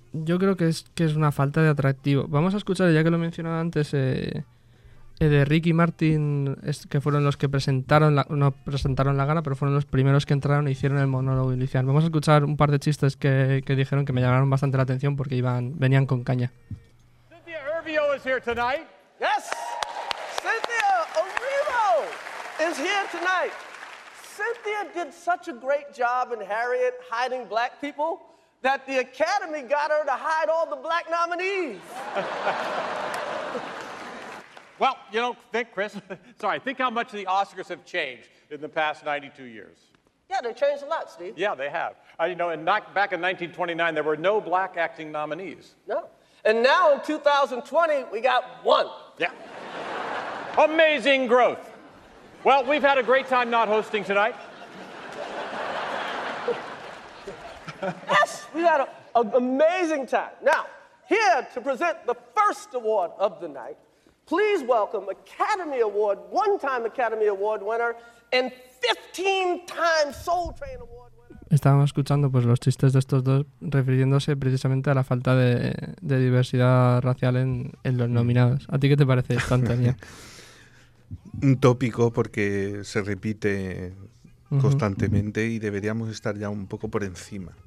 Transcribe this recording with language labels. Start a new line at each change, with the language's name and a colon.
Spanish: Yo creo que es una falta de atractivo. Vamos a escuchar, ya que lo mencionaba antes, de Ricky Martin, que fueron los que presentaron la gala, pero fueron los primeros que entraron e hicieron el monólogo inicial. Vamos a escuchar un par de chistes que dijeron que me llamaron bastante la atención porque venían con caña.
English: Cynthia Erivo is here tonight. Yes. Cynthia Erivo is here tonight. Cynthia did such a great job in Harriet hiding black people that the Academy got her to hide all the black nominees. Well, you know, think how much the Oscars have changed in the past 92 years. Yeah, they've changed a lot, Steve. Yeah, they have. You know, back in 1929, there were no black acting nominees. No. And now in 2020, we got one. Yeah. Amazing growth. Well, we've had a great time not hosting tonight. Yes, we had an amazing time. Now, here to present the first award of the night, please welcome Academy Award, one-time Academy Award winner, and 15-time Soul Train Award winner.
Spanish: Estábamos escuchando pues los chistes de estos dos refiriéndose precisamente a la falta de diversidad racial en los nominados. ¿A ti qué te parece esto, Antonio? Un tópico porque se repite constantemente uh-huh. y deberíamos estar ya un poco por encima.